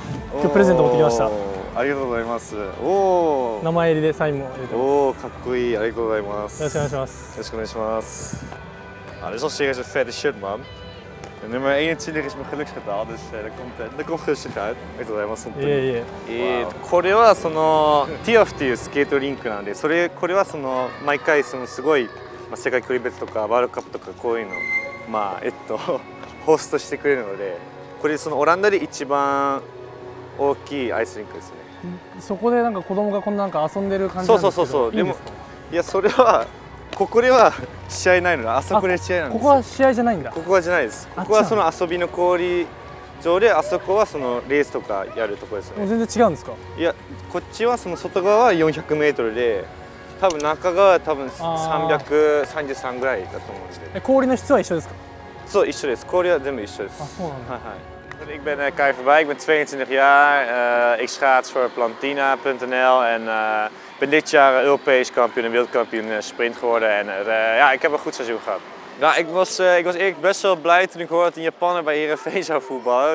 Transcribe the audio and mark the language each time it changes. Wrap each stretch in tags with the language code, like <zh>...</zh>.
<ja>今日プレゼント持ってきました。ありがとうございます。名前入りでサインも入れてます。かっこいい。ありがとうございます。よろしくお願いします。よろしくお願いします。あ、でも、シェイクはファイトシュート、マン。</ja> <nl>Nummer 21 is mijn geluksgetal, dus dat komt rustig uit. Ik wil helemaal zonder.</nl> <ja>これはそのティアフっていうスケートリンクなんで、それこれはその毎回そのすごい世界距離別とかワールドカップとかこういうのまあホストしてくれるので、これそのオランダで一番大きいアイスリンクですね。そこでなんか子供がこんななんか遊んでる感じ。そう。でもいやそれは。ここでは試合ないのだ。あそこで試合なんです。ここは試合じゃないんだ。ここはじゃないです。ここはその遊びの氷場で、あそこはそのレースとかやるところですよね。もう全然違うんですか。いや、こっちはその外側は400メートルで、多分中側は多分333ぐらいだと思うんで。氷の質は一緒ですか。そう、一緒です。氷は全部一緒です。あ、そうなんだ。はい。</ja> <nl>Ik ben Kai Verbij, ik ben 22 jaar. Ik schaats voor Plantina.nl en ben dit jaar Europees kampioen en wereldkampioen sprint geworden. En ik heb een goed seizoen gehad. Ja, ik was eerlijk best wel blij toen ik hoorde dat een Japaner bij Heerenveen zou voetballen.</nl>